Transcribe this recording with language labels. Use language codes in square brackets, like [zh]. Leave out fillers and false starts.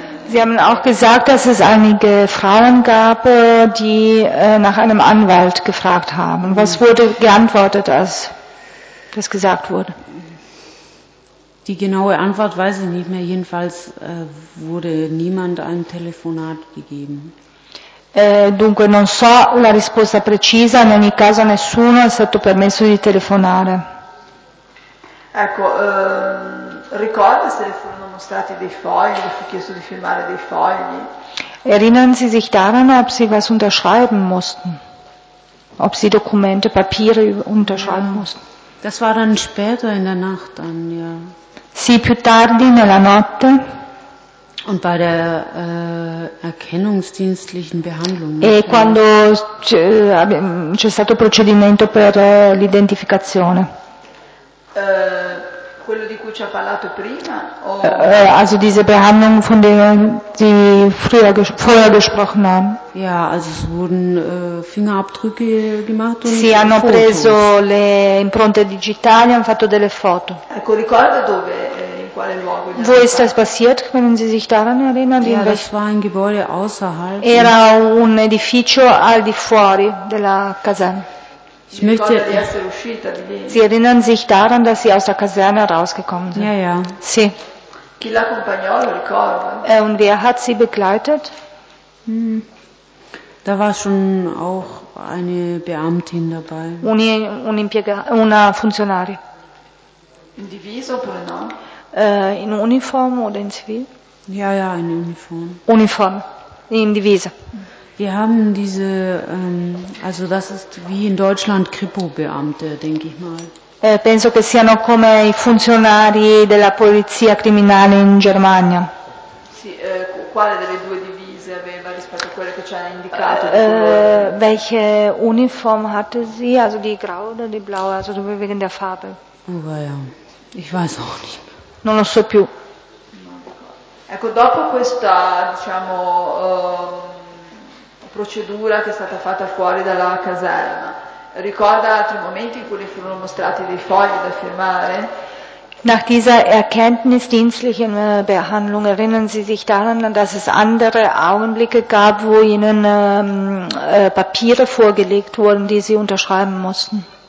[de] Sie haben auch gesagt, dass es einige Frauen gab, die nach einem Anwalt gefragt haben. Was wurde geantwortet, als das gesagt wurde? Die genaue Antwort weiß ich nicht mehr. Jedenfalls wurde niemand ein Telefonat gegeben. [it] Dunque non so la risposta precisa, in ogni caso nessuno è stato permesso di telefonare. Ecco, ricorda se le furono mostrati dei fogli, le fu chiesto di firmare dei fogli? [de] Erinnern Sie sich daran, ob Sie was unterschreiben mussten? Ob Sie Dokumente, Papiere unterschreiben mussten? Das war dann später in der Nacht dann, ja. [it] Sì, più tardi nella notte. [de] Und bei der erkennungsdienstlichen Behandlung. [it] E quando c'è stato procedimento per l'identificazione? Quello di cui ci ha parlato prima? [de] Also diese Behandlung, von der Sie vorher gesprochen haben. Ja, also es wurden Fingerabdrücke gemacht und [it] Sì, hanno preso le impronte digitali, hanno fatto delle foto. Ecco, ricorda dove? [de] Wo ist das passiert, können Sie sich daran erinnern? Ja, das war ein Gebäude außerhalb. [it] Era un edificio al di fuori della caserma. [de] Ich möchte, uscita, Sie erinnern sich daran, dass Sie aus der Kaserne rausgekommen sind? Ja, ja. Sie. [it] Chi l'accompagnò, lo ricorda. [de] Und wer hat Sie begleitet? Hm. Da war schon auch eine Beamtin dabei. [it] Una funzionaria. In diviso oppure no? [de] In Uniform oder in Zivil? Ja, ja, in Uniform. [it] Uniform, in diviso. [de] Wir haben diese, also das ist wie in Deutschland Kripo-Beamte, denke ich mal. [it] Penso che siano come i funzionari della polizia criminale in Germania. Sì, quale delle due divise aveva rispetto a quelle che ci ha indicato? [de] Welche Uniform hatte sie? Also die grau oder die blau? Also wegen der Farbe. Oh, ja. Ich weiß auch nicht. [it] Non lo so più. Ecco, dopo questa, diciamo, procedura che è stata fatta fuori dalla caserma. Ricorda altri momenti in cui le furono mostrati dei fogli da firmare? [de] Nach dieser erkenntnisdienstlichen Behandlung erinnern Sie sich daran, dass es andere Augenblicke gab, wo Ihnen Papiere vorgelegt wurden, die Sie unterschreiben mussten?